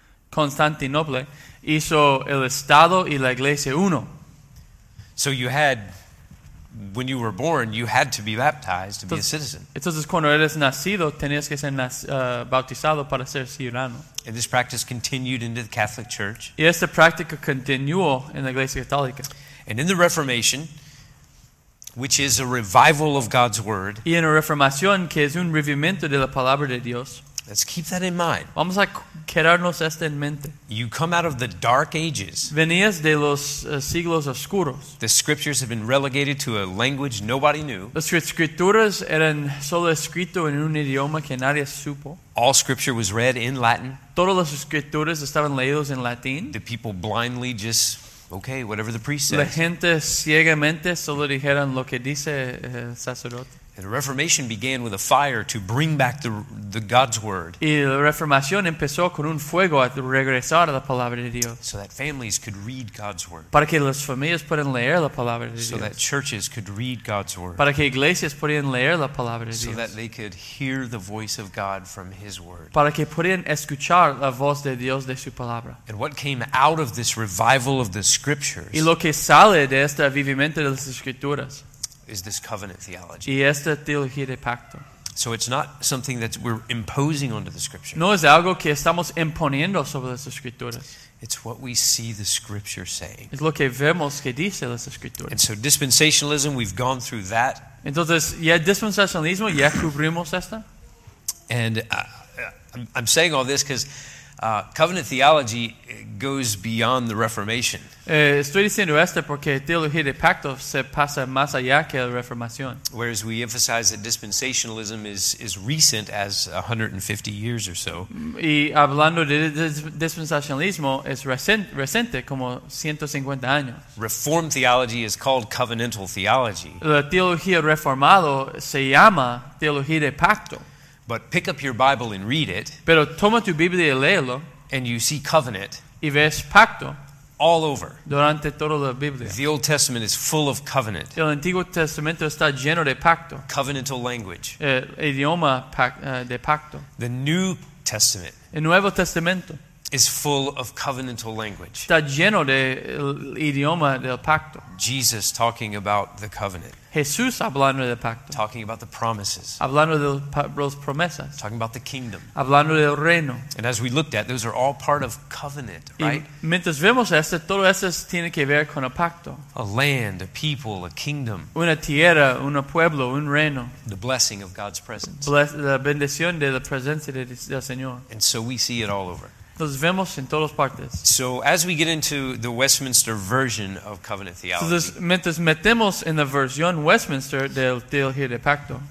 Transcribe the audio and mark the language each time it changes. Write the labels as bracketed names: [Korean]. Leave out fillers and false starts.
[Spanish] Constantinople hizo el estado y la iglesia uno. [English] So you had, when you were born, you had to be baptized to be a citizen. [Spanish] Entonces cuando eres nacido tenías que ser bautizado para ser ciudadano. [English] And this practice continued into the Catholic Church. [Spanish] Y esta práctica continuó en la Iglesia Católica. [English] And in the Reformation, which is a revival of God's Word. [Spanish] Y en la Reformación, que es un revivimiento de la Palabra de Dios. [English] Let's keep that in mind. [Spanish] Vamos a quedarnos esto en mente. [English] You come out of the dark ages. [Spanish] Venías de los siglos oscuros. [English] The scriptures have been relegated to a language nobody knew. [Spanish] Las escrituras eran solo escrito en un idioma que nadie supo. [English] All scripture was read in Latin. [Spanish] Todas las escrituras estaban leídos en latín. [English] The people blindly just, okay, whatever the priest says. [Spanish] La gente ciegamente solo dijeron lo que dice el sacerdote. [English] And the Reformation began with a fire to bring back the God's word. [Spanish] Y la Reformación empezó con un fuego a regresar a la palabra de Dios. [English] So that families could read God's word. [Spanish] Para que las familias puedan leer la palabra de Dios. [English] So that churches could read God's word. [Spanish] Para que iglesias puedan leer la palabra de Dios. [English] So that they could hear the voice of God from His word. [Spanish] Para que puedan escuchar la voz de Dios de su palabra. [English] And what came out of this revival of the scriptures? [Spanish] Y lo que sale de este avivamiento de las escrituras. [English] Is this covenant theology. [Spanish] Y esta teología de pacto. [English] So it's not something that we're imposing onto the Scripture. [Spanish] No es algo que estamos imponiendo sobre las Escrituras. [English] It's what we see the Scripture saying. [Spanish] Es lo que vemos que dice las Escrituras. [English] And so dispensationalism, we've gone through that. [Spanish] Entonces, ya dispensacionalismo, ya cubrimos esta. [English] And I'm saying all this because covenant theology goes beyond the Reformation. [Spanish] Estoy diciendo esto porque teología de pacto se pasa más allá que la Reformación. [English] Whereas we emphasize that dispensationalism is recent as 150 years or so. [Spanish] Y hablando de dispensacionalismo es reciente como 150 años. [English] Reformed theology is called covenantal theology. [Spanish] La teología reformada se llama teología de pacto. [English] But pick up your Bible and read it. [Spanish] Pero toma tu Biblia y léelo. [English] And you see covenant. [Spanish] Y ves pacto. [English] All over. [Spanish] Durante toda la Biblia. [English] The Old Testament is full of covenant. [Spanish] El Antiguo Testamento está lleno de pacto. [English] Covenantal language. [Spanish] El idioma de pacto. [English] The New Testament. [Spanish] El Nuevo Testamento. [English] is full of covenantal language. [Spanish] Está lleno de el idioma del pacto. [English] Jesus talking about the covenant. [Spanish] Jesús hablando del pacto. [English] Talking about the promises. [Spanish] Hablando de las promesas. [English] Talking about the kingdom. [Spanish] Hablando del reino. [English] And as we looked at, those are all part of covenant, right? [Spanish] Y mientras vemos esto, todo esto tiene que ver con el pacto. [English] A land, a people, a kingdom. [Spanish] Una tierra, un pueblo, un reino. [English] The blessing of God's presence. [Spanish] La bendición de la presencia del Señor. [English] And so we see it all over. [Spanish] Los vemos en todas partes. [English] So as we get into the Westminster version of covenant theology, [Spanish] entonces, mientras metemos en la versión Westminster del teología de pacto,